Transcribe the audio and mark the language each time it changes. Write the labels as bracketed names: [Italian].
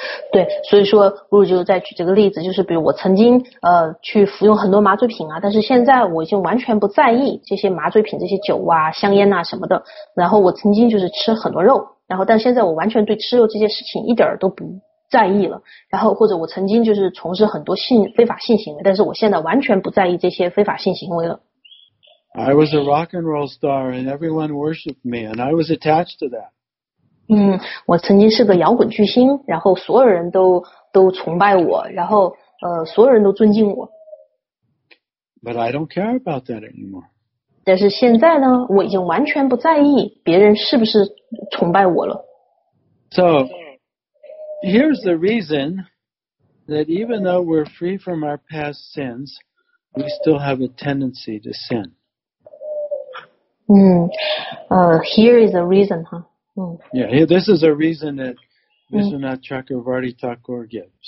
[Chinese] 对，所以说如果就再举这个例子，就是比如我曾经去服用很多麻醉品啊，但是现在我已经完全不在意这些麻醉品，这些酒啊香烟啊什么的。然后我曾经就是吃很多肉，然后但现在我完全对吃肉这件事情一点都不在意了。然后或者我曾经就是从事很多非法性行为，但是我现在完全不在意这些非法性行为了。 [English] I was a rock and roll star and everyone worshipped me and I was attached to that. [Chinese] 我曾经是个摇滚巨星，然后所有人都崇拜我，然后所有人都尊敬我。 [English] But I don't care about that anymore. [Chinese] 但是现在呢，我已经完全不在意别人是不是崇拜我了。 [English] So,Here's the reason that even though we're free from our past sins, we still have a tendency to sin. Here is a reason, huh? Yeah, this is a reason that Vishwanath Chakravarti Thakur gives.